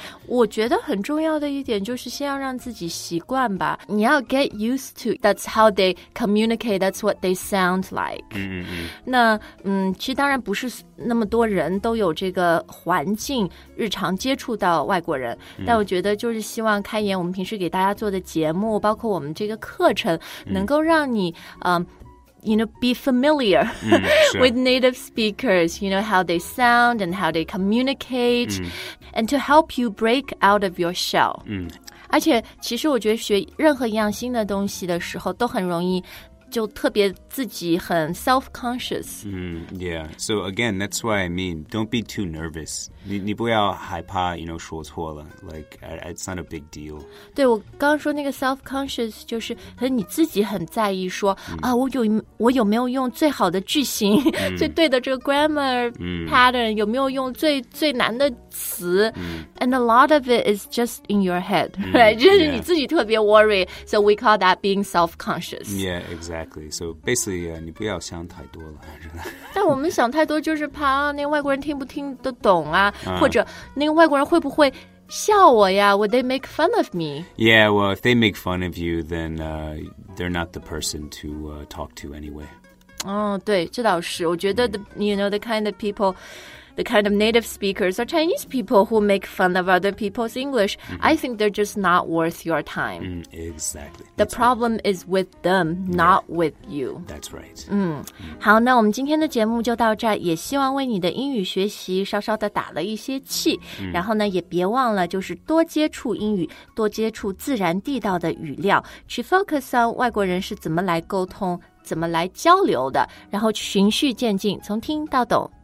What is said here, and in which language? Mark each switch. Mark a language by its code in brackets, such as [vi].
[zh] 我觉得很重要的一点就是先要让自己习惯吧。你要 [en] get used to, that's how they communicate, that's what they sound like. [zh] 那其实当然不是那么多人都有这个环境日常接触到外国人。但我觉得就是希望开言我们平时给大家做的节目包括我们这个课程能够让你 [en] you know, be familiar with native speakers, you know, how they sound and how they communicate, and to help you break out of your shell. [zh] 而且其实我觉得学任何一样新的东西的时候都很容易就特别自己很 self-conscious. [en] Yeah, so again, that's what I mean. Don't be too nervous. [zh] 你不要害怕 [en] you know, [zh] 说错了 [en] Like, it's not a big deal. [zh] 对，我刚刚说那个 self-conscious 就是和你自己很在意说啊，我有没有用最好的句型最对的这个 grammar pattern 有没有用最难的词 [en] And a lot of it is just in your head, right? [zh] 就是你自己特别 worry. [en] So we call that being self-conscious. Yeah, exactly. So basically, [zh] 你不要想太多了。但我们想太多就是怕那外国人听不听得懂啊，或者那个外国人会不会笑我呀 ？ [en] Would they make fun of me? Yeah, well, if they make fun of you, then they're not the person to talk to anyway. [zh] 哦，对，这倒是。我觉得 [en] you know, the kind of people, the kind of native speakers are Chinese people who make fun of other people's English. I think they're just not worth your time. Exactly. The problem is with them, not with you. That's right. [zh] 好，那我们今天的节目就到这儿，也希望为你的英语学习稍稍的打了一些气。然后呢，也别忘了就是多接触英语，多接触自然地道的语料，去 focus on 外国人是怎么来沟通，怎么来交流的，然后循序渐进，从听到懂。